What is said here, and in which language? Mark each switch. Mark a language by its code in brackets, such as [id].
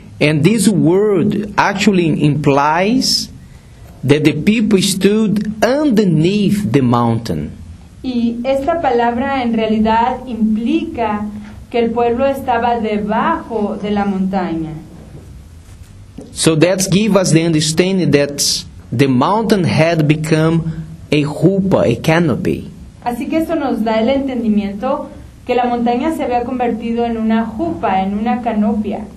[en] And this word actually implies that the people stood underneath the mountain. [es] Y esta palabra en realidad implica que el pueblo estaba debajo de la montaña. [en] So that gives us the understanding that the mountain had become a hoopah, a canopy. [es] Así que esto nos da el entendimiento que la montaña se había convertido en una jupa, en una canopia.